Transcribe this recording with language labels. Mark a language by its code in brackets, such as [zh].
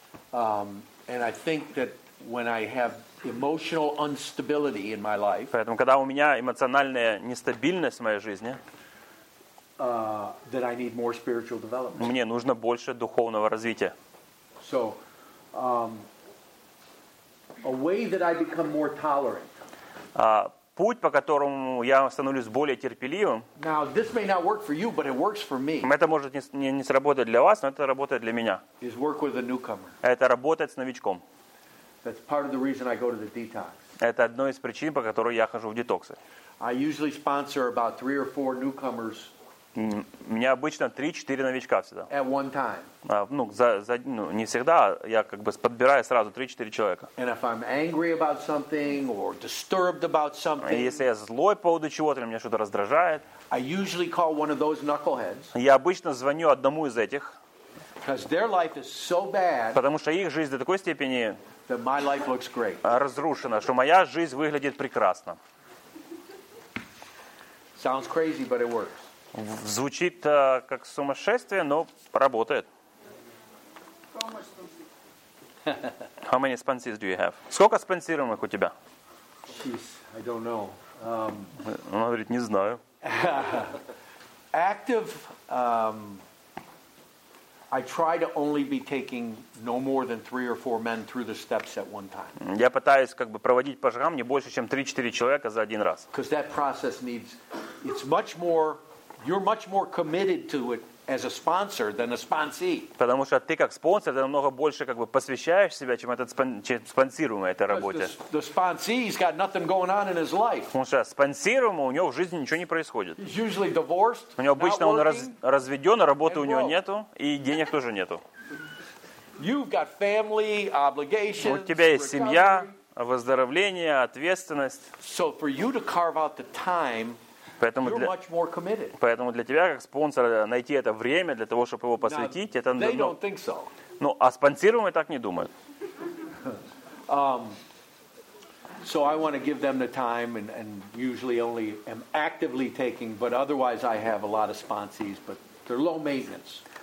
[en] And I think that when I have emotional instability in my life, [ru] поэтому, когда у меня эмоциональная нестабильность в моей жизни, [en] that I need more spiritual development. [ru] Мне нужно больше духовного развития. [en] So, a way that I become more tolerant. [ru] Путь, по которому я становлюсь более терпеливым. [en] Now, this may not work for you, but it works for me. [ru] Это может не сработать для вас, но это работает для меня. [en] Is work with a newcomer. [ru] Это работает с новичком. [en] That's part of the reason I go to the detox. [ru] Это одно из причин, по которой я хожу в детоксы. [en] I usually sponsor about 3 or 4 newcomers. [ru] У меня обычно 3-4 новичка всегда. [en] At one time. [ru] Не всегда, я как бы подбираю сразу 3-4 человека. [en] And if I'm angry about something or disturbed about something. [ru] Если я злой по поводу чего-то, или меня что-то раздражает. [en] I usually call one of those knuckleheads. [ru] Я обычно звоню одному из этих. [en] Because their life is so bad. [ru] Потому что их жизнь до такой степени. [en] That my life looks great. [ru] Разрушена, что моя жизнь выглядит прекрасно. [en] Sounds crazy, but it works. [ru] Звучит как сумасшествие, но работает. [en] How many sponsors do you have? [ru] Сколько спонсируемых у тебя? [en] Jeez, I don't know. [ru] Она говорит, не знаю. [en] Active, I try to only be taking no more than 3 or 4 men through the steps at one time. [ru] Я пытаюсь как бы проводить по шагам не больше, чем 3-4 человека за один раз. [en] Because that process needs, it's much more. You're much more committed to it as a sponsor than a sponsee. [ru] Потому что ты как спонсор, ты намного больше как бы посвящаешь себя, чем этот спонсируемый этой работе. [en] The sponsee's got nothing going on in his life. [ru] Потому что спонсируемый, у него в жизни ничего не происходит. [en] He's usually divorced. [ru] У него обычно он разведен, работы у него нету, и денег тоже нету. [en] You've got family obligations. [ru] У тебя есть семья, выздоровление, ответственность. [en] So for you to carve out the time. [ru] Поэтому для тебя, как спонсора, найти это время для того, чтобы его посвятить, [en] now, [ru] это... [en] They don't think so. [ru] Ну, а спонсируемые так не думают. [en] So I want to give them the time and usually only am actively taking, but otherwise I have a lot of sponsees, but they're low maintenance.